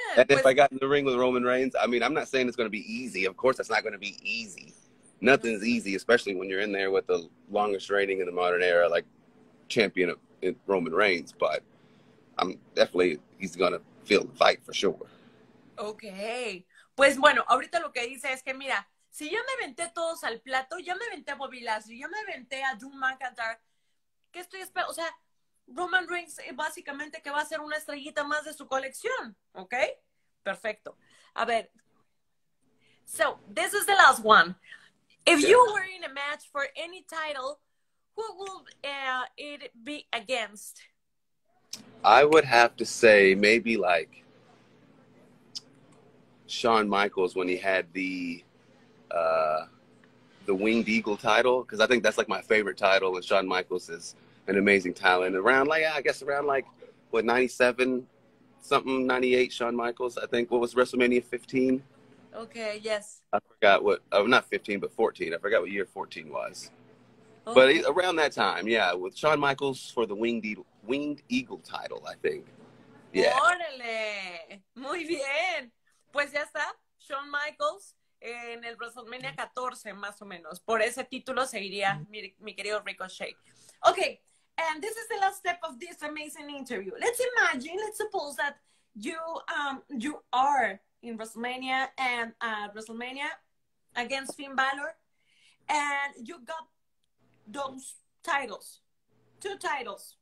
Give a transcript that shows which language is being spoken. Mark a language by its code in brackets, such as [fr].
[en] And if I got in the ring with Roman Reigns, I mean, I'm not saying it's going to be easy. Of course, it's not going to be easy. Nothing's easy, especially when you're in there with the longest reigning in the modern era, like champion of Roman Reigns. But I'm definitely, he's going to feel the fight for sure. Okay. [es] Pues bueno, ahorita lo que dice es que mira, si yo me aventé todos al plato, yo me aventé a Bobby Lashley, yo me aventé a Drew McIntyre, ¿qué estoy esperando? O sea, Roman Reigns básicamente que va a ser una estrellita más de su colección, ¿ok? Perfecto. A ver. [en] So, this is the last one. If you were in a match for any title, who would it be against? I would have to say maybe like Shawn Michaels when he had the Winged Eagle title, because I think that's like my favorite title, and Shawn Michaels is an amazing talent. Around like, I guess around like, what, 97 something, 98, Shawn Michaels, I think. What was WrestleMania, 15? Okay, yes. I forgot what, not 15, but 14. I forgot what year 14 was. Okay. But around that time, yeah, with Shawn Michaels for the Winged Eagle title, I think. Yeah. [es] ¡Órale! Muy bien. Pues ya está, Shawn Michaels en el WrestleMania 14, más o menos. Por ese título seguiría mi querido Ricochet. [en] Okay, and this is the last step of this amazing interview. Let's suppose that you are in WrestleMania and WrestleMania against Finn Balor, and you got those titles, two titles.